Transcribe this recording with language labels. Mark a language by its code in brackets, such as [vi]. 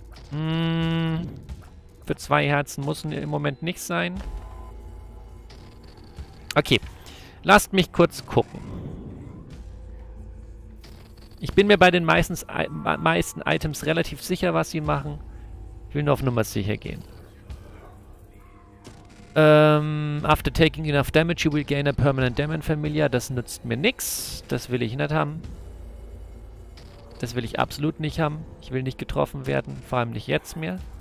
[de] Für zwei Herzen muss im Moment nicht sein. Okay. Lasst mich kurz gucken. Ich bin mir bei den meisten Items relativ sicher, was sie machen. Ich will nur auf Nummer sicher gehen. [en] After taking enough damage, you will gain a permanent Demon Familiar. [de] Das nützt mir nichts. Das will ich nicht haben. Das will ich absolut nicht haben. Ich will nicht getroffen werden. Vor allem nicht jetzt mehr.